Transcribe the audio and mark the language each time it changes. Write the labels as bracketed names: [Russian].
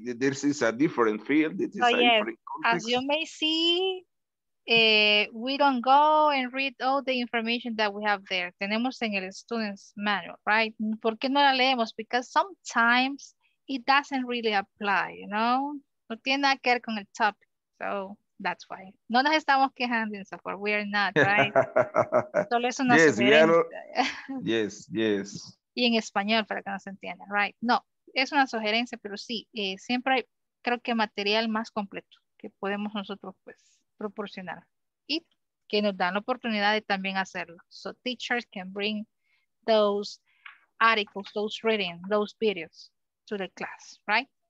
[English] This is a different field. As you may see, we don't go and read all the information that we have there. [Spanish] Tenemos en el student's manual, [English] right? [Spanish] ¿Por qué no la leemos? [English] Because sometimes it doesn't really apply, you know? [Spanish] No tiene nada que ver con el topic. [English] So that's why. [Spanish] No nos estamos quejando en software. [English] We are not, right? [Spanish] Solo es una sugerencia. [English] Yes. [Spanish] Y en español, para que no se entienda, [English] right? [Spanish] No, es una sugerencia, pero sí, siempre hay, creo que material más completo que podemos nosotros, pues, proporcionar. Y que nos dan la oportunidad de también hacerlo. [English] So teachers can bring those articles, those readings, those videos to the class, right?